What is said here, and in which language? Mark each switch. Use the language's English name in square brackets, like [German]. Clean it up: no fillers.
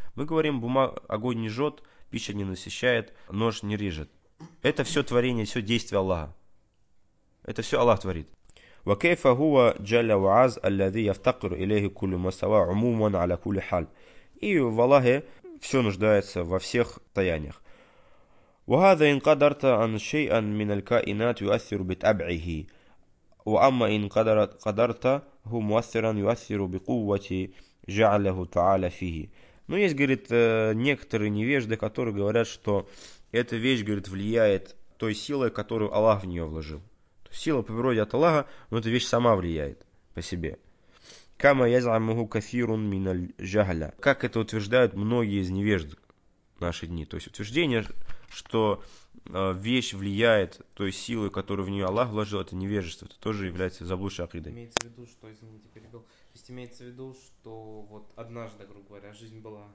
[Russian] Мы говорим, огонь не жжет, пища не насыщает, нож не режет. Это все творение, все действие Аллаха. Это все Аллах творит. [Arabic] وَكَيْفَ هُوَ جَلَّ وَعَزْ أَلَّذِي يَفْتَقِرُ إِلَيْهِ كُلُّ مَسَوَى عُمُومًا عَلَى كُلِ حَالٍ. [Russian] И в Аллахе все нуждается во всех состояниях. [Arabic] وهذا إن قدرت أن شيئا من الكائنات يؤثر بتبعه وأما إن قدرته مؤثرا يؤثر بقوة جعله تعالى فيه. [Russian] Но есть, говорит, некоторые невежды, которые говорят, что эта вещь, говорит, влияет той силой, которую Аллах в нее вложил. То есть сила по природе от Аллаха, но эта вещь сама влияет по себе. [Arabic] كما يزعمه كثير من الجهلة. [Russian] Как это утверждают многие из невежд в наши дни. То есть утверждение, что вещь влияет той силой, которую в нее Аллах вложил, это невежество, это тоже является заблудшей акидой. Имеется в виду, что, извините, перебил. То есть имеется в виду, что вот однажды, грубо говоря, жизнь была.